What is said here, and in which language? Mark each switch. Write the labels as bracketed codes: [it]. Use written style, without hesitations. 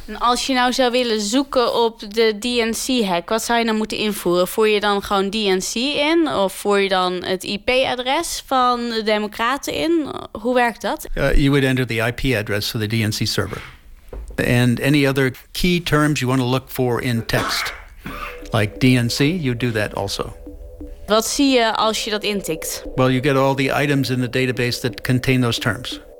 [nl] En als je nou zou willen zoeken op de DNC-hack, wat zou je dan moeten invoeren? Voer je dan gewoon DNC in? Of voer je dan het IP-adres van de Democraten in? Hoe werkt dat? [en] You would enter the IP-address for the DNC server. And any other key terms you want to look for in text. Like DNC, you do that also. [nl] Wat zie je als je dat intikt? [en] Well, you get all the items in the database that contain those terms.